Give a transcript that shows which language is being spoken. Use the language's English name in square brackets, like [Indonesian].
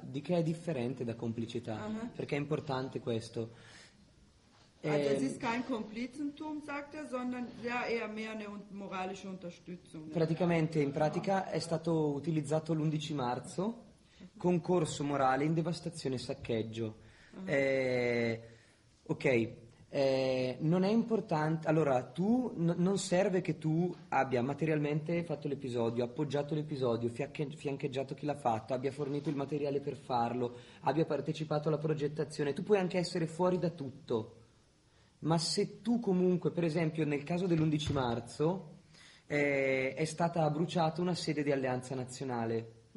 [Italian] Di che è differente da complicità? Uh-huh. Perché è importante questo. [German] Also es ist kein Komplizentum, sagt er, sondern ja, eher mehr eine moralische Unterstützung. [Italian] Praticamente, in pratica, è stato utilizzato l'11 marzo concorso morale in devastazione e saccheggio. Non è importante, allora tu non serve che tu abbia materialmente fatto l'episodio, appoggiato l'episodio, fiancheggiato chi l'ha fatto, abbia fornito il materiale per farlo, abbia partecipato alla progettazione, tu puoi anche essere fuori da tutto, ma se tu comunque, per esempio nel caso dell'11 marzo, è stata bruciata una sede di Alleanza Nazionale,